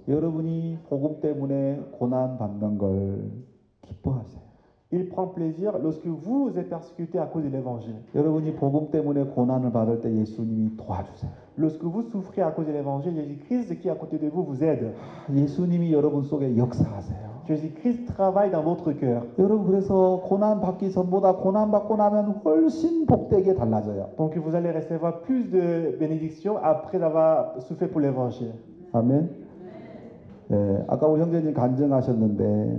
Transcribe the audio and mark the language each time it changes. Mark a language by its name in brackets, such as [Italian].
[Korean] 여러분이 복음 때문에 고난 받는 걸 기뻐하세요. [French] Il prend plaisir lorsque vous êtes persécuté à cause de l'Évangile. [Korean] 여러분이 복음 때문에 고난을 받을 때 예수님이 도와주세요. [French] Lorsque vous souffrez à cause de l'Évangile, Jésus-Christ qui est à côté de vous vous aide. [Korean] 예수님이 여러분 속에 역사하세요. [French] Jésus-Christ travaille dans votre cœur. [Korean] 여러분 그래서 고난 받기 전보다 고난 받고 나면 훨씬 복되게 달라져요. [French] Donc vous allez recevoir plus de bénédictions après avoir souffert pour l'Évangile. Amen. [Korean] 예, 아까 우리 형제님 간증하셨는데.